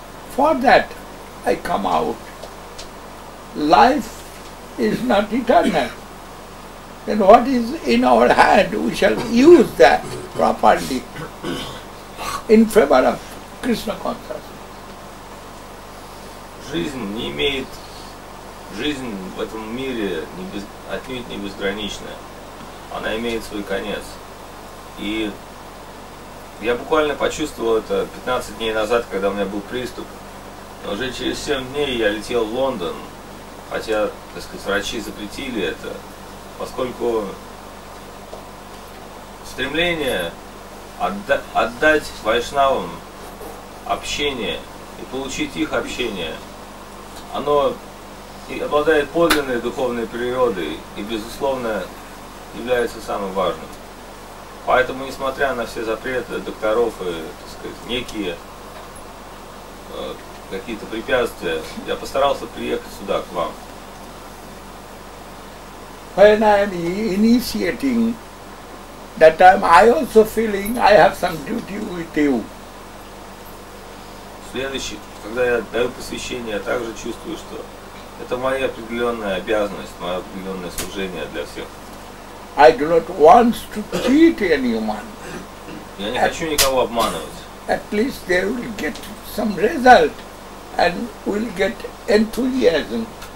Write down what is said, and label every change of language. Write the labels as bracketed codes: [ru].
[en] For that, I come out. Life is not eternal. And what is in our hand, we shall use that properly in favor of Krishna consciousness. [ru] Жизнь не имеет, жизнь в этом мире не без, отнюдь не безгранична. Она имеет свой конец. И я буквально почувствовал это 15 дней назад, когда у меня был приступ. Но уже через 7 дней я летел в Лондон, хотя, так сказать, врачи запретили это, поскольку стремление отдать вайшнавам общение и получить их общение, оно и обладает подлинной духовной природой и, безусловно, является самым важным. Поэтому, несмотря на все запреты докторов и, так сказать, некие какие-то препятствия, я постарался приехать сюда, к вам. [en] When I'm initiating, that time I also feeling I have some duty with you. [ru] Следующий, когда я даю посвящение, я также чувствую, что это моя определенная обязанность, мое определенное служение для всех. [en] I do not want to cheat anyone. [ru] Я не хочу никого обманывать. [en] At least they will get some result and will get enthusiasm.